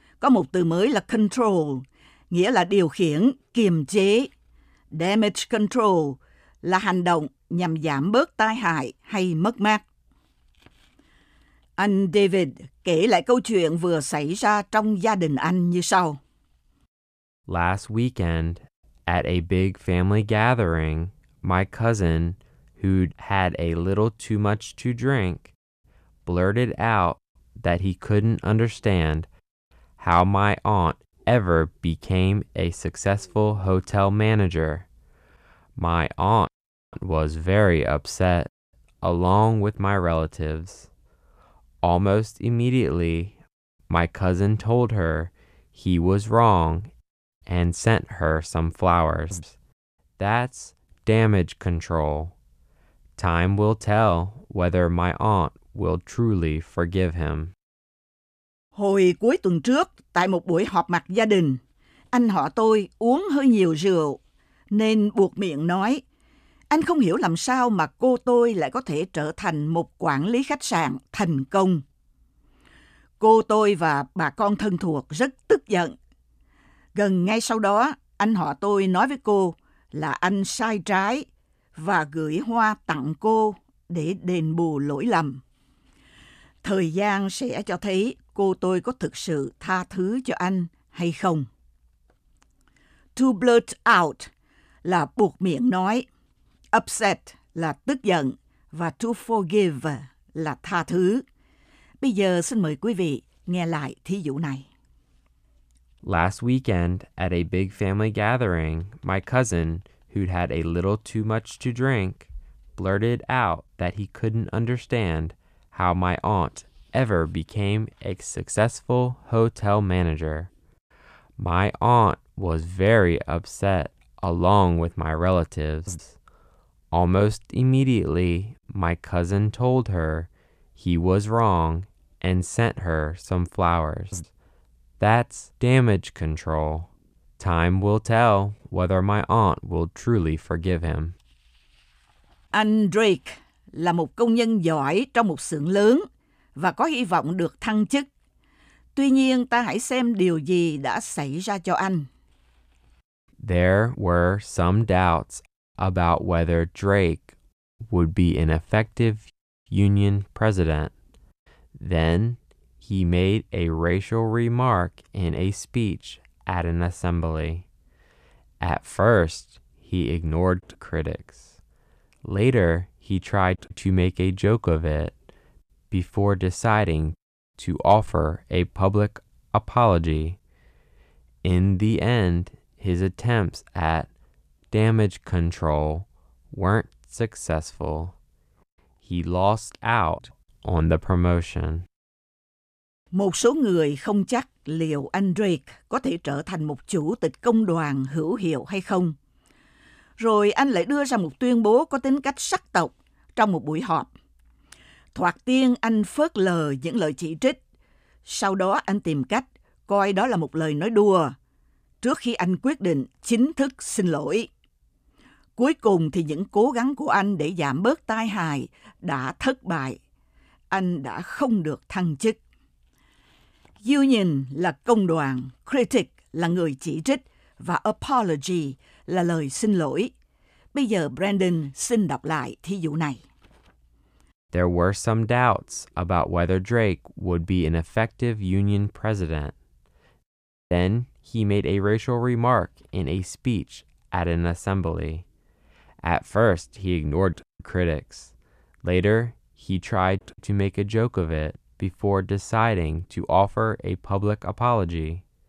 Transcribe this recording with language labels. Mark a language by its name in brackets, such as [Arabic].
[Vietnamese] Có một từ mới là control, nghĩa là điều khiển, kiềm chế. Damage control là hành động nhằm giảm bớt tai hại hay mất mát. Anh David kể lại câu chuyện vừa xảy ra trong gia đình anh như sau. [English] Last weekend, at a big family gathering, my cousin, who'd had a little too much to drink, blurted out that he couldn't understand how my aunt ever became a successful hotel manager. My aunt was very upset, along with my relatives. Almost immediately, my cousin told her he was wrong and sent her some flowers. That's damage control. Time will tell whether my aunt will truly forgive him. [Vietnamese] Hồi cuối tuần trước, tại một buổi họp mặt gia đình, anh họ tôi uống hơi nhiều rượu, nên buộc miệng nói, anh không hiểu làm sao mà cô tôi lại có thể trở thành một quản lý khách sạn thành công. Cô tôi và bà con thân thuộc rất tức giận. Gần ngay sau đó, anh họ tôi nói với cô là anh sai trái và gửi hoa tặng cô để đền bù lỗi lầm. Thời gian sẽ cho thấy cô tôi có thực sự tha thứ cho anh hay không. To blurt out là buộc miệng nói. Upset là tức giận và to forgive là tha thứ. Bây giờ xin mời quý vị nghe lại thí dụ này. [English] Last weekend, at a big family gathering, my cousin, who'd had a little too much to drink, blurted out that he couldn't understand how my aunt ever became a successful hotel manager. My aunt was very upset, along with my relatives. Almost immediately, my cousin told her he was wrong and sent her some flowers. That's damage control. Time will tell whether my aunt will truly forgive him. [Vietnamese] Anh Drake là một công nhân giỏi trong một xưởng lớn và có hy vọng được thăng chức. Tuy nhiên, ta hãy xem điều gì đã xảy ra cho anh. [English] There were some doubts about whether Drake would be an effective union president. Then he made a racial remark in a speech at an assembly. At first, he ignored critics. Later, he tried to make a joke of it before deciding to offer a public apology. In the end, his attempts at damage control weren't successful. He lost out on the promotion. [Vietnamese] Một số người không chắc liệu anh Drake có thể trở thành một chủ tịch công đoàn hữu hiệu hay không. Rồi anh lại đưa ra một tuyên bố có tính cách sắc tộc trong một buổi họp. Thoạt tiên anh phớt lờ những lời chỉ trích. Sau đó anh tìm cách coi đó là một lời nói đùa trước khi anh quyết định chính thức xin lỗi. Cuối cùng thì những cố gắng của anh để giảm bớt tai hại đã thất bại. Anh đã không được thăng chức. Union là công đoàn, critic là người chỉ trích và apology là lời xin lỗi. Bây giờ Brandon xin đọc lại thí dụ này. [English] There were some doubts about whether Drake would be an effective union president. Then he made a racial remark in a speech at an assembly. At first, he ignored critics. Later, he tried to make a joke of it before deciding to offer a public apology.